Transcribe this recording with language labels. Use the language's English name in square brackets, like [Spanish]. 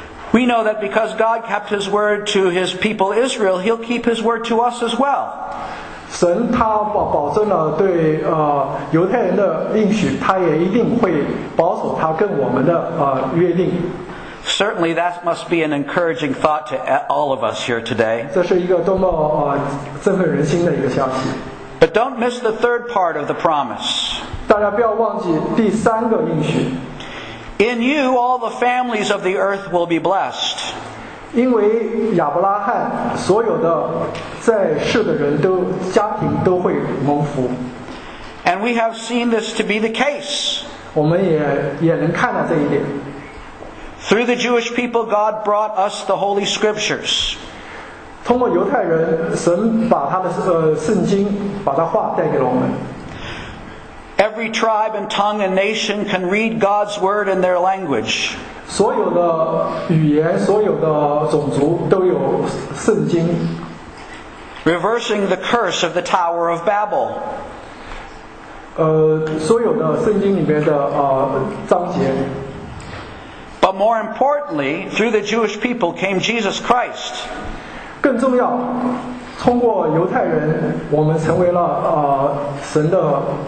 [English] We know that because God kept his word to his people Israel, he'll keep his word to us as well. [Chinese] 神他保证了对犹太人的应许，他也一定会保守他跟我们的约定。 [English] Certainly that must be an encouraging thought to all of us here today. [Chinese] 这是一个多么振奋人心的一个消息。 [English] But don't miss the third part of the promise. [Chinese] 大家不要忘记第三个应许。 [English] In you, all the families of the earth will be blessed. [Chinese] 因为亚伯拉罕，所有的在世的人都家庭都会蒙福。 [English] And we have seen this to be the case. [Chinese] 我们也能看到这一点。 [English] Through the Jewish people, God brought us the Holy Scriptures. [Chinese] 通过犹太人，神把他的圣经，把他话带给了我们。 [English] Every tribe and tongue and nation can read God's word in their language. [Chinese] 所有的语言，所有的种族都有圣经。 [English] Reversing the curse of the Tower of Babel. [Chinese] 所有的圣经里面的章节。 [English] But more importantly, through the Jewish people came Jesus Christ. [Chinese] 更重要，通过犹太人，我们成为了神的。